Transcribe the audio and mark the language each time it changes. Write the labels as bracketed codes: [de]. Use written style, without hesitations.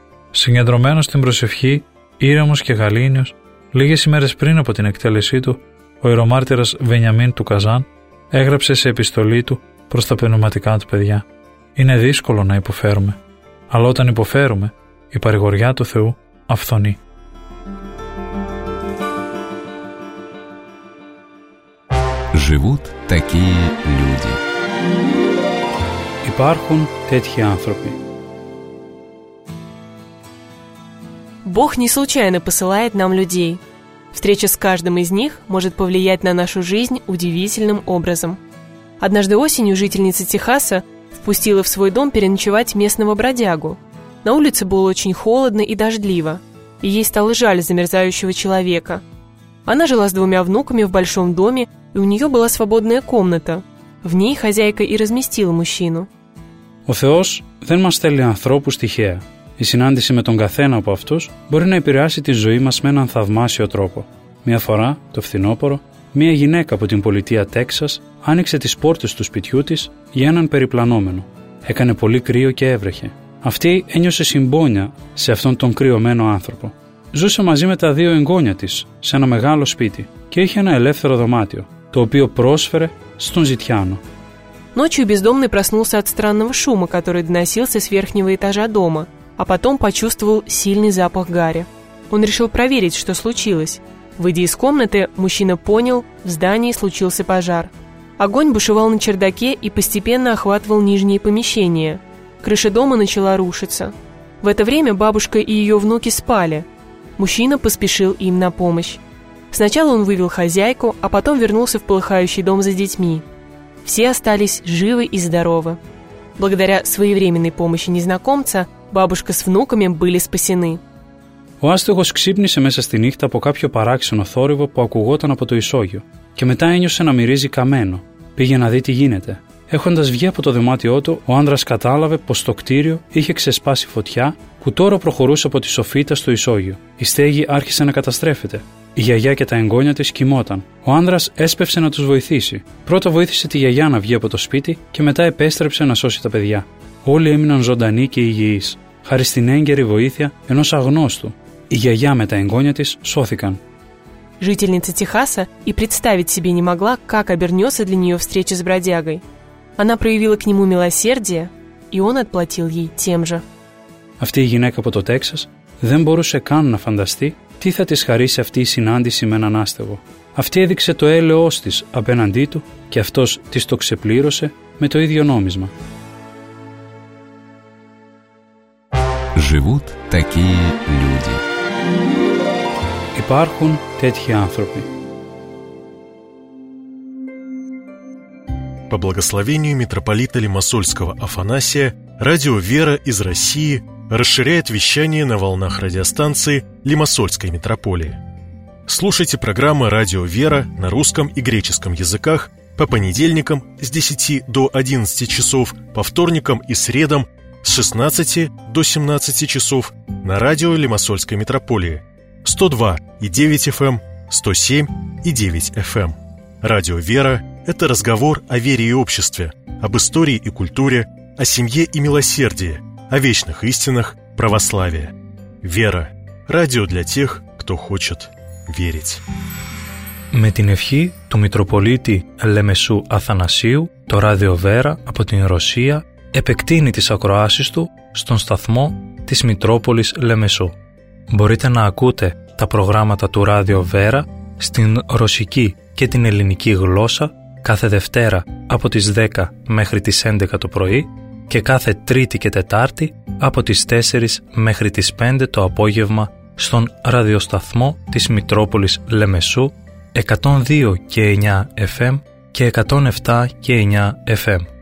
[el] Συγκεντρωμένος στην προσευχή, ήρεμος και γαλήνιος, λίγες ημέρες πριν από την εκτέλεσή του, ο ιερομάρτυρας Βενιαμίν του Καζάν έγραψε σε επιστολή του προς τα πνευματικά του παιδιά: «Είναι δύσκολο να υποφέρουμε, αλλά όταν υποφέρουμε, η παρηγοριά του Θεού αφθονεί». [ru] Живут такие люди. [el] Υπάρχουν τέτοιοι άνθρωποι. [ru] Бог не случайно посылает нам людей. Встреча с каждым из них может повлиять на нашу жизнь удивительным образом. Однажды осенью жительница Техаса впустила в свой дом переночевать местного бродягу. На улице было очень холодно и дождливо, и ей стало жаль замерзающего человека. Она жила с двумя внуками в большом доме, и у нее была свободная комната. В ней хозяйка и разместила мужчину. [el] Ο Θεός δεν μας στέλνει ανθρώπους τυχαία. Η συνάντηση με τον καθένα από αυτούς μπορεί να επηρεάσει τη ζωή μας με έναν θαυμάσιο τρόπο. Μια φορά, το φθινόπωρο, μια γυναίκα από την πολιτεία Τέξας άνοιξε τις πόρτες του σπιτιού της για έναν περιπλανόμενο. Έκανε πολύ κρύο και έβρεχε. Αυτή ένιωσε συμπόνια σε αυτόν τον κρυωμένο άνθρωπο. Ζούσε μαζί με τα δύο εγγόνια της σε ένα μεγάλο σπίτι και είχε ένα ελεύθερο δωμάτιο, το οποίο πρόσφερε στον ζητιάνο. [ru] Ночью бездомный проснулся от странного шума, который доносился с верхнего этажа дома, а потом почувствовал сильный запах гари. Он решил проверить, что случилось. Выйдя из комнаты, мужчина понял, в здании случился пожар. Огонь бушевал на чердаке и постепенно охватывал нижние помещения. Крыша дома начала рушиться. В это время бабушка и ее внуки спали. Мужчина поспешил им на помощь. Сначала он вывел хозяйку, а потом вернулся в полыхающий дом за детьми. Все остались живы и здоровы. Благодаря своевременной помощи незнакомца, бабушка с внуками были спасены. [el] Ο άστεγος ξύπνησε μέσα στη νύχτα από κάποιο παράξενο θόρυβο που ακουγόταν από το ισόγειο και μετά ένιωσε να μυρίζει καμένο. Πήγε να δει τι γίνεται. Έχοντας βγει από το δωμάτιό του, ο άντρας κατάλαβε πως το κτίριο είχε ξεσπάσει φωτιά που τώρα προχωρούσε από τη σοφίτα στο ισόγειο. Η στέγη άρχισε να καταστρέφεται. Η γιαγιά και τα εγγόνια της κοιμόταν. Ο άντρας έσπευσε να τους βοηθήσει. Πρώτα βοήθησε τη γιαγιά να βγει από το σπίτι και μετά επέστρεψε να σώσει τα παιδιά. Όλοι έμειναν ζωντανοί και υγιείς, χάρη στην έγκαιρη βοήθεια ενός αγνώστου. Η γιαγιά με τα εγγόνια της σώθηκαν. [ru] Жительница Техаса и представить себе не могла, как обернется для нее встреча с бродягой. Она проявила к нему милосердие, и он отплатил ей тем же. [el] Αυτή η γυναίκα από το Τέξας δεν μπορούσε καν να φανταστεί τι θα της χαρίσει αυτή η συνάντηση με έναν άστεγο. Αυτή έδειξε το έλεος της απέναντί του και αυτός της το ξεπλήρωσε με το ίδιο νόμισμα. [ru] Живут такие люди. [el] Υπάρχουν τέτοιοι άνθρωποι. [ru] По благословению митрополита Лимассольского Афанасия, радио «Вера» из России расширяет вещание на волнах радиостанции Лимассольской митрополии. Слушайте программы «Радио «Вера» на русском и греческом языках по понедельникам с 10 до 11 часов, по вторникам и средам с 16 до 17 часов на радио Лимассольской митрополии 102.9 FM, 107.9 FM. Радио «Вера» – это разговор о вере и обществе, об истории и культуре, о семье и милосердии, о вечных истинах православия. «Вера» – радио для тех, кто хочет верить. [el] Με την ευχή του Μητροπολίτη Λεμεσού Αθανασίου, το Ράδιο Βέρα από την Ρωσία επεκτείνει τις ακροάσεις του στον σταθμό της Μητρόπολης Λεμεσού. Μπορείτε να ακούτε τα προγράμματα του Ράδιο Βέρα στην ρωσική και την ελληνική γλώσσα κάθε Δευτέρα από τις 10 μέχρι τις 11 το πρωί και κάθε Τρίτη και Τετάρτη από τις 4 μέχρι τις 5 το απόγευμα στον ραδιοσταθμό της Μητρόπολης Λεμεσού 102 και 9 FM και 107 και 9 FM.